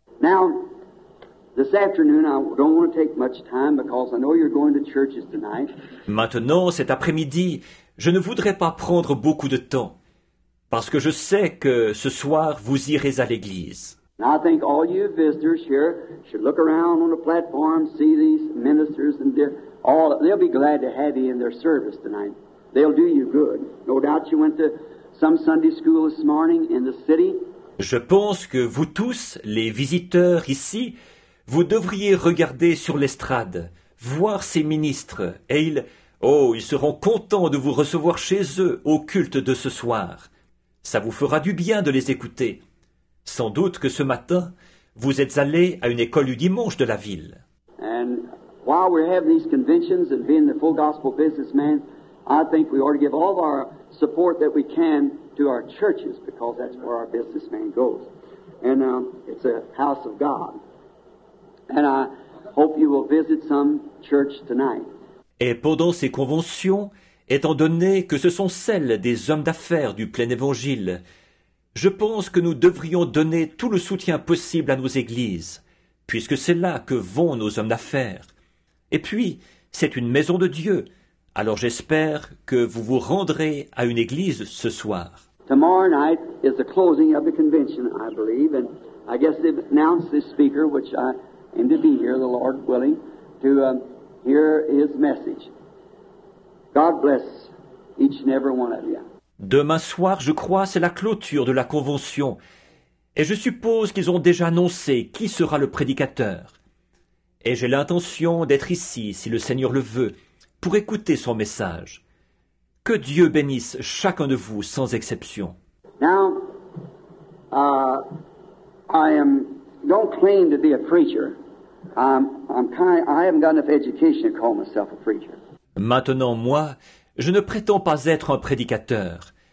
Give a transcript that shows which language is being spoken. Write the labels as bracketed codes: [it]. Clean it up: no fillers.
[en] Now, this afternoon, I don't want to take much time because I know you're going to churches tonight. [fr] Maintenant, cet après-midi, je ne voudrais pas prendre beaucoup de temps parce que je sais que ce soir, vous irez à l'église. [en] And I think all you visitors here should look around on the platform, see these ministers and all. They'll be glad to have you in their service tonight. They'll do you good. No doubt you went to some Sunday school this morning in the city. [fr] Je pense que vous tous, les visiteurs ici, vous devriez regarder sur l'estrade, voir ces ministres, et ils seront contents de vous recevoir chez eux au culte de ce soir. Ça vous fera du bien de les écouter. Sans doute que ce matin, vous êtes allé à une école du dimanche de la ville. [en] And while we're having these conventions and being the full gospel businessman, I think we ought to give all of our support that we can to our churches, because that's where our businessman goes. And it's a house of God. And I hope you will visit some church tonight. [fr] Et pendant ces conventions, étant donné que ce sont celles des hommes d'affaires du plein évangile, je pense que nous devrions donner tout le soutien possible à nos églises, puisque c'est là que vont nos hommes d'affaires. Et puis, c'est une maison de Dieu, alors j'espère que vous vous rendrez à une église ce soir. [en] Tomorrow night is the closing of the convention, I believe, and I guess they've announced this speaker, which I... And to be here, the Lord willing, to hear his message. God bless each and every one of you. [fr] Demain soir, je crois, c'est la clôture de la convention. Et je suppose qu'ils ont déjà annoncé qui sera le prédicateur. Et j'ai l'intention d'être ici, si le Seigneur le veut, pour écouter son message. Que Dieu bénisse chacun de vous, sans exception. [en] Now, don't claim to be a preacher. I haven't got enough education to call myself a preacher. [fr] Maintenant, moi, je ne prétends pas être un prédicateur.